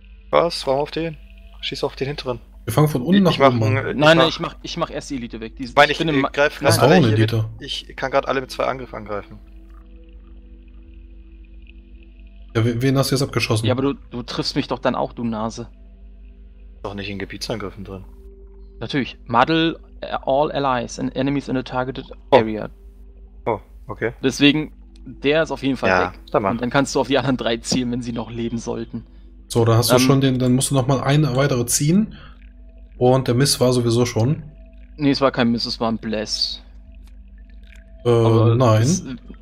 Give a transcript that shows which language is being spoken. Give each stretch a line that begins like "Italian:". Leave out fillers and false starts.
German: Was? Warum auf den? Schieß auf den hinteren. Wir fangen von unten nach oben an. Ich mach erst die Elite weg. Ich kann gerade alle mit zwei Angriffen angreifen. Ja, wen hast du jetzt abgeschossen? Ja, aber du triffst mich doch dann auch, du Nase. Doch nicht in Gebietsangriffen drin. Natürlich.
English: Muddle. All allies and enemies in the targeted area. Oh, Okay.
German: Deswegen, der ist auf jeden Fall ja, weg. Dann mach. Und dann kannst du auf die anderen drei zielen, wenn sie noch leben sollten. So, da hast du schon den, dann musst du nochmal einen weitere ziehen. Und der Miss war sowieso schon. Nee, es war kein Miss, es war ein Bless. Nein.